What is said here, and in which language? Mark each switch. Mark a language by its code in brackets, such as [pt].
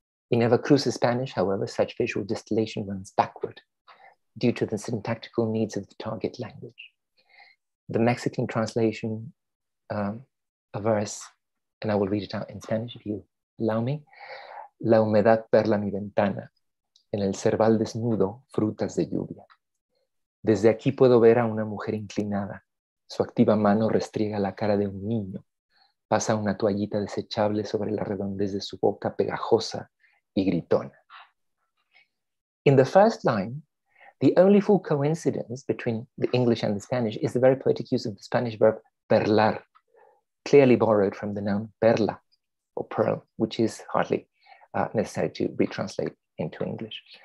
[en] In Eva Cruz's Spanish, however, such visual distillation runs backward due to the syntactical needs of the target language. The Mexican translation, a verse, and I will read it out in Spanish if you allow me. [es] La humedad perla mi ventana, en el cerval desnudo, frutas de lluvia. Desde aquí puedo ver a una mujer inclinada. Su activa mano restriega la cara de un niño. Pasa una toallita desechable sobre la redondez de su boca pegajosa y gritona. [en] In the first line, the only full coincidence between the English and the Spanish is the very poetic use of the Spanish verb perlar, clearly borrowed from the noun perla, or pearl, which is hardly necessary to retranslate into English.